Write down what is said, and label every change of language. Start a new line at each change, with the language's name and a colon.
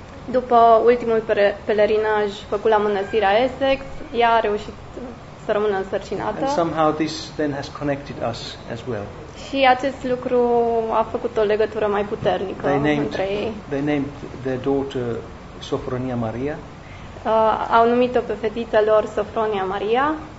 Romanian: După ultimul pelerinaj făcut la mănăstirea Essex, ea a reușit să rămână însărcinată.
English: And somehow this then has connected us as well.
Romanian: Și acest lucru a făcut o legătură mai puternică între ei.
English: They named their daughter Sofronia Maria.
Romanian: Au numit-o pe fetița lor Sofronia Maria.